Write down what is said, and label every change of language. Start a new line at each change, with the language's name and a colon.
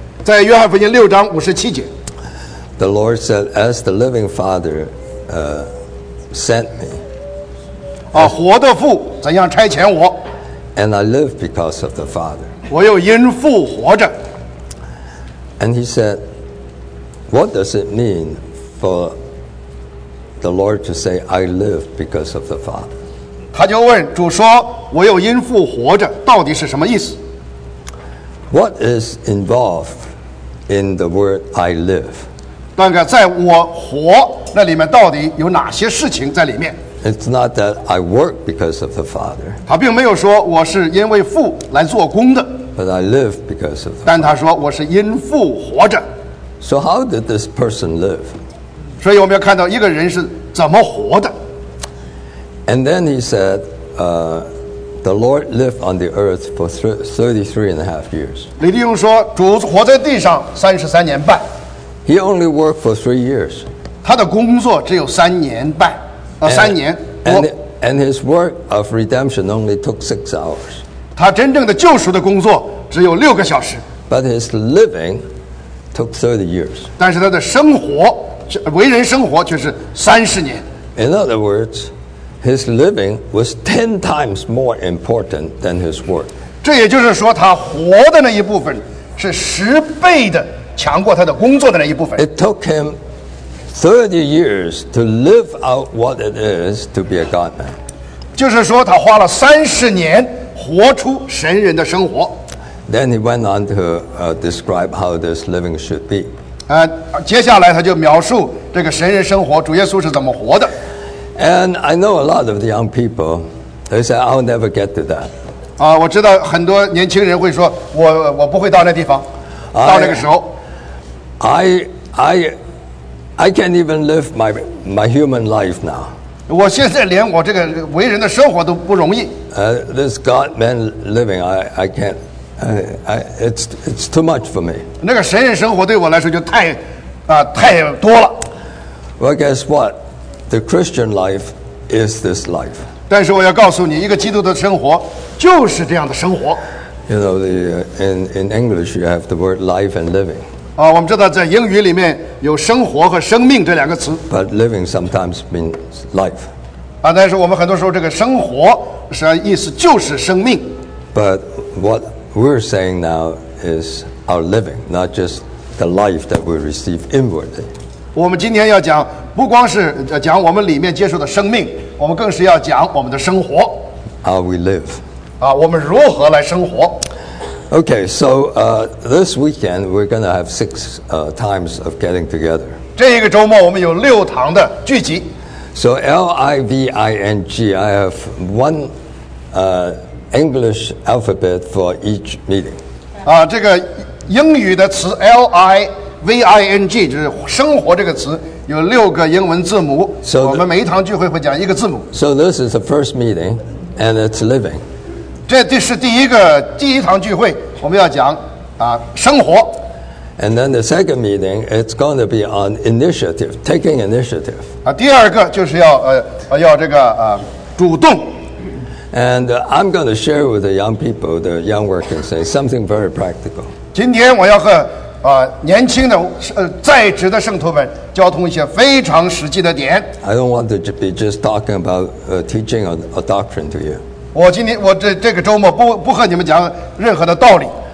Chinese: 在约翰福音六章五十七节
English: The Lord said as the living father sent me
Chinese: 啊，活的父怎样差遣我
English: And I live because of the father
Chinese: 我又因父活着
English: And he said What does it mean for the Lord to say I live because of the father
Chinese: 他就问主说我又因父活着到底是什么意思
English: What is involvedIn the word I live.
Chinese: 那个在我活那里面到底有哪些事情在里面
English: It's not that I work because of the Father.
Chinese: 他并没有说我是因为父来做工的
English: But I live because of the Father.
Chinese: 但他说我是因父活着
English: So how did this person live?
Chinese: 所以我们要看到一个人是怎么活的
English: And then he said, The Lord lived on the earth for 33.5 years.
Chinese: 李弟兄说，主活在地上三十三年半。
English: He only worked for 3 years.
Chinese: 他的工作只有三年半，三年。
English: And his work of redemption only took 6 hours.
Chinese: 他真正的救赎的工作只有六个小时。
English: But his living took 30 years.
Chinese: 但是他的生活，为人生活却是三十年。
English: In other words. His living was 10 times more important than his work.
Chinese: 这也就是说，他活的那一部分是十倍的强过他的工作的那一部分。
English: It took him 30 years to live out what it is to be a God man.
Chinese: 就是说，他花了三十年活出神人的生活。
English: Then he went on to describe how this living should be.
Chinese: 接下来他就描述这个神人生活，主耶稣是怎么活的。
English: And I know a lot of the young people. They say, "I'll never get to that."
Chinese: 啊，我知道很多年轻人会说，我不会到那地方，到那个时候。
English: I can't even live my human life now.
Chinese: 我现在连我这个为人的生活都不容易。
English: This God man living, I can't. It's too much for me.
Chinese: 那个神人生活对我来说就太，太多了。
English: Well, guess what? The Christian life is this life.
Chinese: 但是我要告诉你，一个基督的生活就是这样的生活。
English: You know, in English, you have the word life and living.
Chinese: 啊，我们知道在英语里面有生活和生命这两个词。
English: But living sometimes means life.
Chinese: 啊，但是我们很多时候这个生活是意思就是生命。
English: But what we're saying now is our living, not just the life that we receive inwardly.
Chinese: 我们今天要讲。不光是讲我们里面接受的生命，我们更是要讲我们的生活。
English: How we live.
Chinese: 啊，我们如何来生活
English: ？Okay, so this weekend we're going to have six times of getting together.
Chinese: 这一个周末我们有六堂的聚集。
English: So living, I have one English alphabet for each meeting.
Chinese: 啊，这个英语的词 living 就是生活这个词。有六个英文字母
English: so,
Chinese: 我们每一堂聚会会讲一个字母
English: So this is the first meeting And it's living
Chinese: 这是第一堂聚会我们要讲生活
English: And then the second meeting It's going to be on initiative Taking initiative
Chinese: 第二个就是要要这个主动
English: And I'm going to share with the young people The young workers Something very practical
Chinese: 今天我要和年轻的在职的圣徒们交通一些非常实际的点。
English: I don't want to be just talking about teaching a doctrine to you.
Chinese: 我今天我这个周末不和你们讲任何的道理。